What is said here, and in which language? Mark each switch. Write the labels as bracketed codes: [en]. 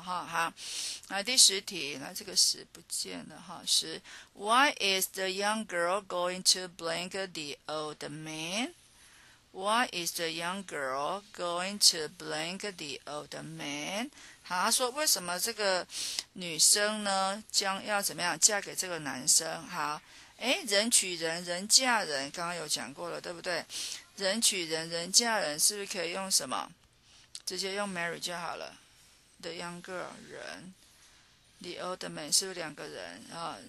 [zh] 哈，好，来第十题，来这个十不见了哈，十。 [en] Why is the young girl going to blank the old man？ Why is the young girl going to blank the old man？ [zh] 好，他说为什么这个女生呢将要怎么样嫁给这个男生？好，诶，人娶人，人嫁人，刚刚有讲过了，对不对？人娶人，人嫁人，是不是可以用什么？直接用 marry 就好了。 [en] The young girl， [zh] 人， [en] the old man [zh] 是不是两个人啊？